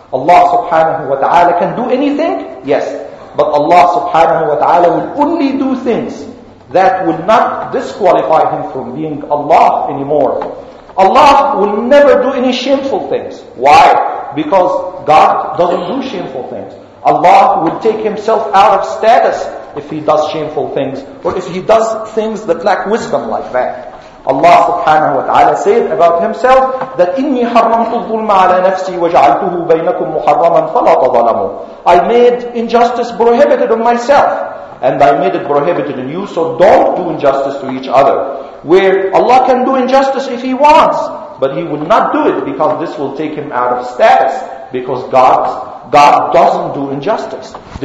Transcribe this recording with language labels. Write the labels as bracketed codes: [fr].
[en] Allah subhanahu wa ta'ala can do anything? Yes. But Allah subhanahu wa ta'ala will only do things that will not disqualify Him from being Allah anymore. Allah will never do any shameful things. Why? Because God doesn't do shameful things. Allah would take Himself out of status if He does shameful things, or if He does things that lack wisdom like that. Allah subhanahu wa ta'ala said about Himself that [ar] إِنِّي حَرَّمْتُ الظُّلْمَ عَلَى نَفْسِي وَجَعَلْتُهُ بَيْنَكُمْ مُحَرَّمًا فَلَا تَظَلَمُوا. [en] I made injustice prohibited on myself, and I made it prohibited on you, so don't do injustice to each other. Where Allah can do injustice if He wants, but He will not do it because this will take Him out of status, because God doesn't do injustice.